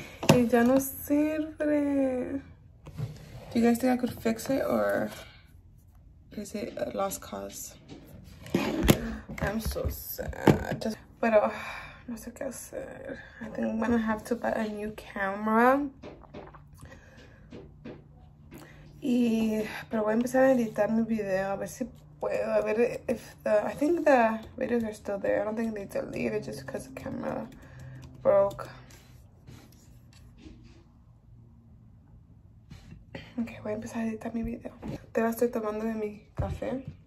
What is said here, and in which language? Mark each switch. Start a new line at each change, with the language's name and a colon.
Spanish: Y ya no sirve.
English: Do you guys think I could fix it, or is it a lost cause? I'm so sad.
Spanish: Pero no sé qué hacer.
English: I think I'm gonna have to buy a new camera.
Spanish: Y, pero voy a empezar a editar mi video. A ver si puedo. A ver
English: if the, I think the videos are still there. I don't think they deleted it just because the camera broke.
Spanish: Ok, voy a empezar a editar mi video. Te la estoy tomando de mi café.